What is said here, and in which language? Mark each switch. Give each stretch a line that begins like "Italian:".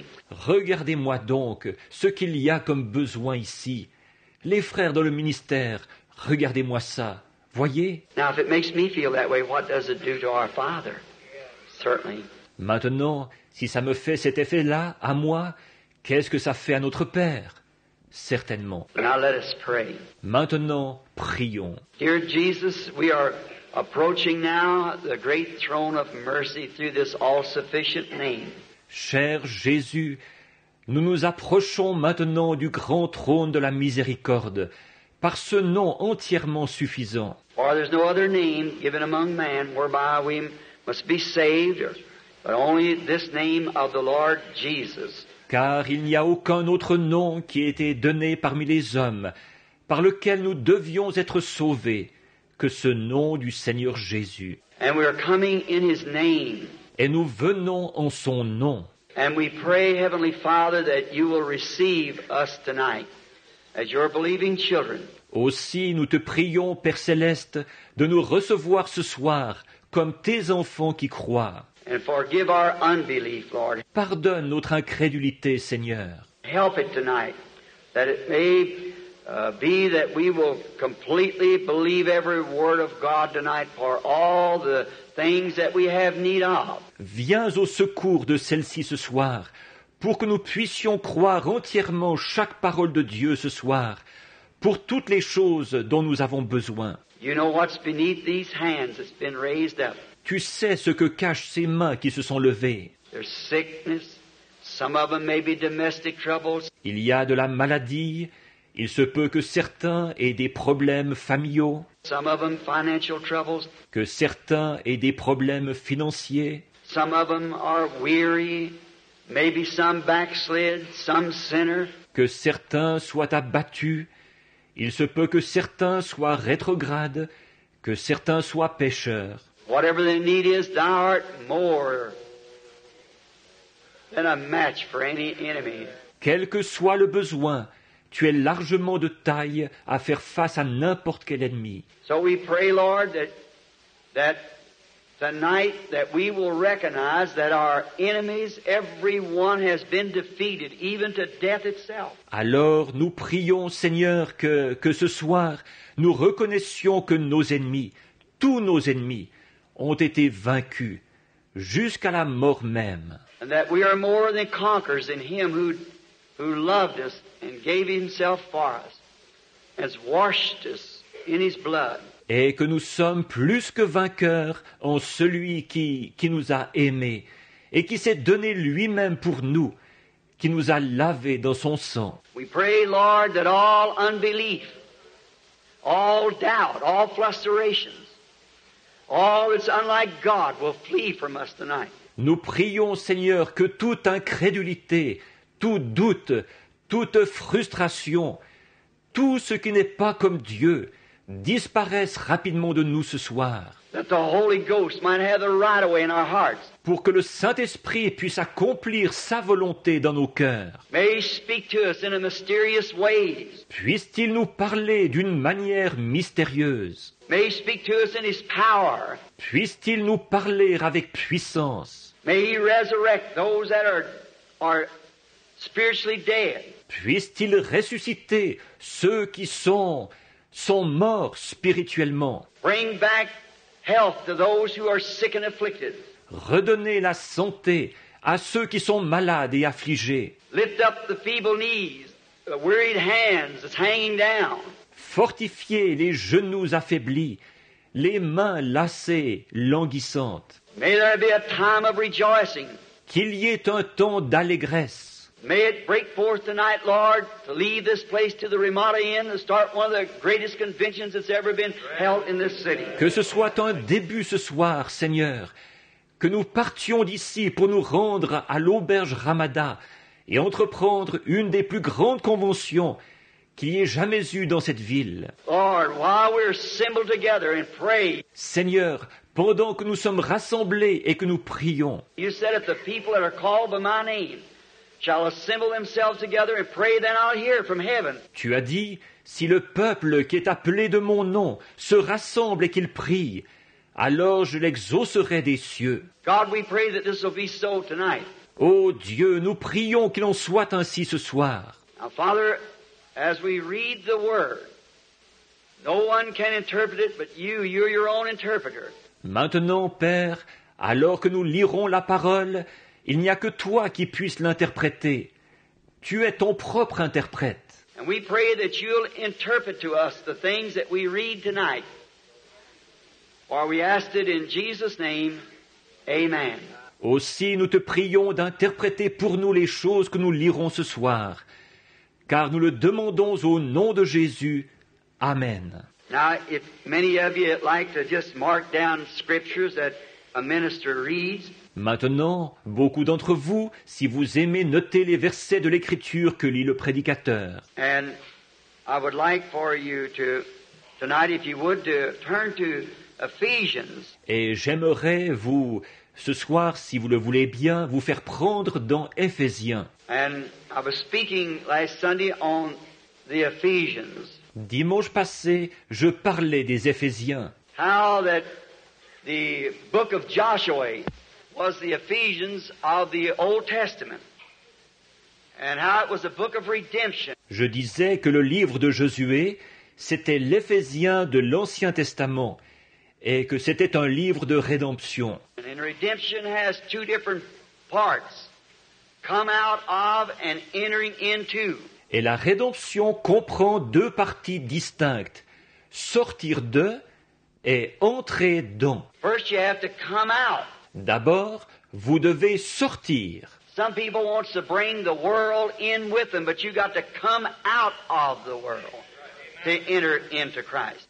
French: Regardez-moi donc ce qu'il y a comme besoin ici. Les frères dans le ministère, regardez-moi ça. Voyez.
English: Now, if it makes me feel that way, what does it do to our Father? Certainly.
French: Maintenant, si ça me fait cet effet-là, à moi, qu'est-ce que ça fait à notre Père? Certainement.
English: Now let us pray.
French: Maintenant, prions.
English: Dear Jesus, we are approaching now the great throne of mercy through this all-sufficient name.
French: Cher Jésus, nous nous approchons maintenant du grand trône de la miséricorde, par ce nom entièrement suffisant.
English: For there's no other name given among man whereby we must be saved or... But only this name of the Lord Jesus.
French: Car il n'y a aucun autre nom qui ait été donné parmi les hommes par lequel nous devions être sauvés que ce nom du Seigneur Jésus.
English: And we are coming in His name.
French: Et nous venons en son nom.
English: And we pray, Heavenly Father, that you will receive us tonight as your believing children.
French: Aussi, nous te prions, Père Céleste, de nous recevoir ce soir comme tes enfants qui croient.
English: And forgive our unbelief, Lord.
French: Pardonne notre incrédulité, Seigneur.
English: Help it tonight, that it may be that we will completely believe every word of God tonight for all the things that we have need of.
French: Viens au secours de celle-ci ce soir, pour que nous puissions croire entièrement chaque parole de Dieu ce soir, pour toutes les choses dont nous avons besoin.
English: You know what's beneath these hands that's been raised up.
French: Tu sais ce que cachent ces mains qui se sont levées.
English: There's sickness, Some of them may be domestic troubles.
French: Il y a de la maladie. Il se peut que certains aient des problèmes familiaux.
English: Some of them financial troubles.
French: Que certains aient des problèmes financiers.
English: Some of them are weary. Maybe some backslid, some sinner.
French: Que certains soient abattus. Il se peut que certains soient rétrogrades, que certains soient pécheurs.
English: Whatever the need is, thou art more than a match for any enemy.
French: Quel que soit le besoin, tu es largement de taille à faire face à n'importe quel ennemi.
English: So we pray, Lord, that tonight that we will recognize that our enemies, every one has been defeated, even to death itself.
French: Alors nous prions, Seigneur, que ce soir nous reconnaissions que nos ennemis, tous nos ennemis, ont été vaincus jusqu'à la mort même.
English: And that we are more than conquerors in Him who loved us and gave Himself for us, has washed us in His blood.
French: Et que nous sommes plus que vainqueurs en celui qui nous a aimés et qui s'est donné lui-même pour nous, qui nous a lavés dans son sang.
English: We pray, Lord, that all unbelief, all doubt, all frustrations, all that's unlike God will flee from us tonight.
French: Nous prions, Seigneur, que toute incrédulité, tout doute, toute frustration, tout ce qui n'est pas comme Dieu, disparaissent rapidement de nous ce soir.
English: That the Holy Ghost might have the right of way in our hearts.
French: Pour que le Saint-Esprit puisse accomplir sa volonté dans nos cœurs.
English: May He speak to us in a mysterious ways.
French: Puisse-t-il nous parler d'une manière mystérieuse.
English: May He speak to us in His power.
French: Puisse-t-il nous parler avec puissance.
English: May He resurrect those that are spiritually dead.
French: Puisse-t-il ressusciter ceux qui sont morts spirituellement.
English: Bring back health to those who are sick and afflicted.
French: Redonnez la santé à ceux qui sont malades et affligés.
English: Lift up the feeble knees, the wearied hands that's hanging down.
French: Fortifiez les genoux affaiblis, les mains lassées, languissantes.
English: May there be a time of rejoicing.
French: Qu'il y ait un temps d'allégresse.
English: May it break forth tonight, Lord, to leave this place to the Ramada Inn and start one of the greatest conventions that's ever been held in this city.
French: Que ce soit un début ce soir, Seigneur, que nous partions d'ici pour nous rendre à l'auberge Ramada et entreprendre une des plus grandes conventions qu'il y ait jamais eue dans cette ville.
English: Lord, while we're assembled together and pray.
French: Seigneur, pendant que nous sommes rassemblés et que nous prions.
English: You said that the people that are called by my name shall assemble themselves together and pray, then I'll hear from heaven.
French: Tu as dit, si le peuple qui est appelé de mon nom se rassemble et qu'il prie, alors je l'exaucerai des cieux.
English: God, we pray that this will be so tonight.
French: Oh Dieu, nous prions qu'il en soit ainsi ce soir.
English: Now, Father, as we read the word, no one can interpret it but you. You're your own interpreter.
French: Maintenant, Père, alors que nous lirons la parole, il n'y a que toi qui puisses l'interpréter. Tu es ton propre interprète.
English: And we pray that you'll interpret to us the things that we read tonight. For we ask it in Jesus' name. Amen.
French: Aussi, nous te prions d'interpréter pour nous les choses que nous lirons ce soir. Car nous le demandons au nom de Jésus. Amen.
English: Now, if many of you like to just mark down scriptures that a minister reads,
French: maintenant, beaucoup d'entre vous, si vous aimez noter les versets de l'Écriture que lit le prédicateur.
English: And I would like for you to, tonight, if you would, to turn to Ephesians.
French: Et j'aimerais vous, ce soir, si vous le voulez bien, vous faire prendre dans Éphésiens.
English: And I was speaking last Sunday on the Ephesians.
French: Dimanche passé, je parlais des Éphésiens.
English: How that the book of Joshua was the Ephesians of the Old Testament, and how it was a book of redemption.
French: Je disais que le livre de Josué, c'était l'Éphésien de l'Ancien Testament, et que c'était un livre de rédemption.
English: And redemption has two different parts, come out of and entering into.
French: Et la rédemption comprend deux parties distinctes, sortir de et entrer dans.
English: First, you have to come out.
French: D'abord, vous devez sortir.
English: Some people want to bring the world in with them, but you got to come out of the world to enter into Christ.